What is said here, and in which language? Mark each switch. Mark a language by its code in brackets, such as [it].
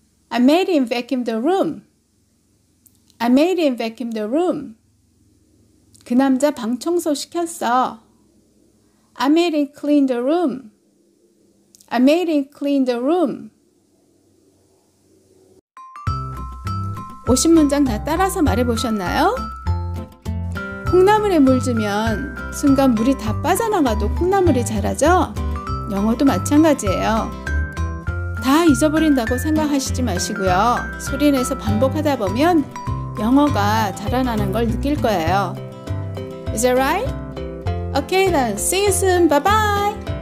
[en] I made him vacuum the room. I made him vacuum the room. [ko] 그 남자 방 청소시켰어. [en] I made him clean the room. I made him clean the room. [ko] 50문장 다 따라서 말해보셨나요? 콩나물에 물 주면 순간 물이 다 빠져나가도 콩나물이 자라죠? 영어도 마찬가지예요. 다 잊어버린다고 생각하시지 마시고요. 소리내서 반복하다 보면 영어가 자라나는 걸 느낄 거예요. [en] Is that right? Okay, then. See you soon. Bye-bye.